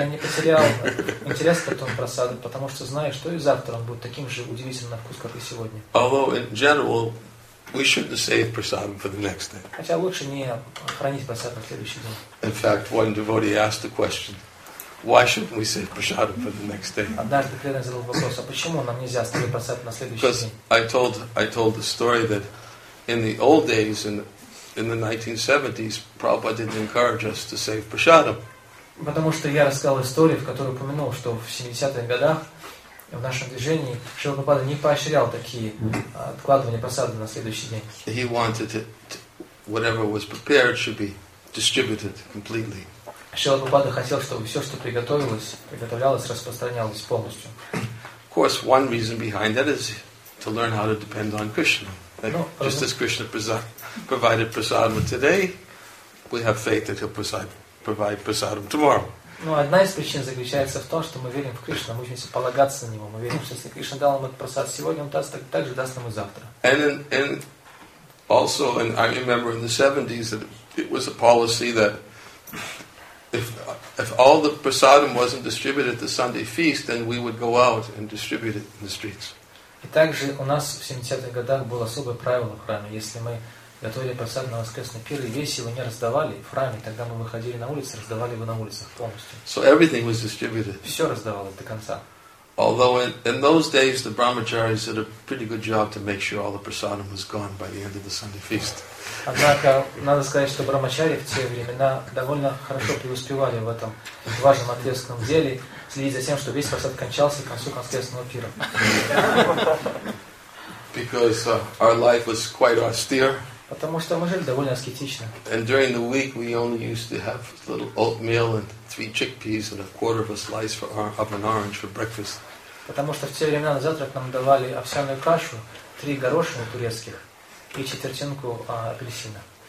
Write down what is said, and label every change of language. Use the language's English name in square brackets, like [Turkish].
[Russian] Я не потерял интерес к этому просаду, потому что знаю, что и завтра он будет таким же удивительным на вкус, как и сегодня. [English] Although in general, we shouldn't save prasadam for the next day. [Russian] Хотя лучше не хранить просад на следующий день. [English] In fact, one devotee asked the question, why shouldn't we save prasadam for the next day? [Russian] Однажды преданный задал вопрос, а почему нам нельзя оставить просад на следующий день? [English] Because I told the story that in the old days in the 1970s, Prabhupada didn't encourage us to save prasadam. [Russian] Потому что я рассказал историю, в которой упомянул, что в 70-х годах в нашем движении Шрила Прабхупада не поощрял такие откладывания просады на следующий день. [English] He wanted it, whatever was prepared should be distributed completely. [Russian] Шрила Прабхупада хотел, чтобы все, что приготовлялось, распространялось полностью. [English] Of course, one reason behind that is to learn how to depend on Krishna. Just as Krishna provided prasadam today, we have faith that he'll provide prasadam tomorrow. [Russian] Ну, одна из причин заключается в том, что мы верим в Кришну, мы учимся полагаться на него. Мы верим, что если Кришна дал нам этот просад сегодня, он даст, так же даст нам и завтра. [English] And I remember in the 70s that it was a policy that if all the prasadam wasn't distributed at the Sunday feast, then we would go out and distribute it in the streets. [Russian] И также у нас в 70-х годах было особое правило в храме. Если мы готовили просад на воскресный пир, и весь его не раздавали в храме, тогда мы выходили на улицу, раздавали его на улицах полностью. [English] So everything was distributed. [Russian] Все раздавалось до конца. [English] Although in those days the brahmacharis did a pretty good job to make sure all the prasadam was gone by the end of the Sunday feast. [Russian] Однако, надо сказать, что брахмачари в те времена довольно хорошо преуспевали в этом важном ответственном деле, следить за тем, что весь просад кончался к концу воскресного пира. [English] Because our life was quite austere. [Russian] Потому что мы жили довольно аскетично. [English] And during the week we only used to have a little oatmeal and 3 chickpeas and a quarter of a slice of an orange for breakfast. [Russian] Потому что в те времена на завтрак нам давали овсяную кашу, 3 горошины турецких и четвертинку апельсина.